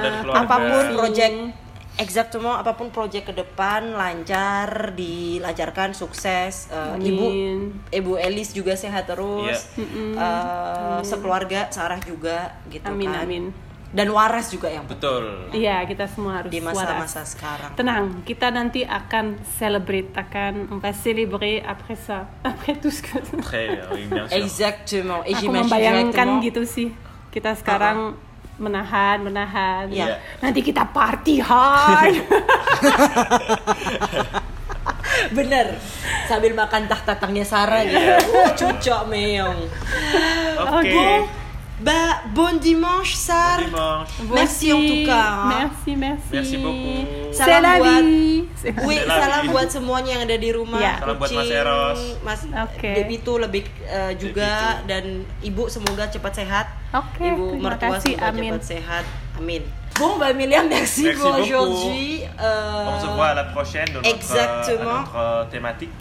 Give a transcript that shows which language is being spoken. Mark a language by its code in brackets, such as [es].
[id] Apapun proyek, exactement apapun proyek ke depan lancar, dilancarkan, sukses. Ibu Elis juga sehat terus, sekeluarga Sarah juga gitu. Amin, kan. Amin. Dan waras juga yang betul. Iya, kita semua harus di masa-masa sekarang. Tenang, kita nanti akan celebrate, akan [fr] célébrer après ça, après tout ce que. Très, oui, bien sûr. Exactement. [id] Aku membayangkan gitu sih, kita sekarang. Apa? menahan [en] yeah. [id] Nanti kita party hard. Bener, sambil makan tahtatangnya Sarah ya, cocok meong. Oke, Mbak, [fr] bon dimanche Sar, merci en tout cas, merci beaucoup. [id] Salam buat semuanya yang ada di rumah, yeah. Salam buat Mas Eros, Mas okay. Debito lebih juga Debito. Dan Ibu semoga cepat sehat. [en] Okay, [id] Ibu mertua semoga cepat sehat, amin. [fr] Bon, Mbak Emilia, merci beaucoup aujourd'hui. On se voit à la prochaine dans notre thématique.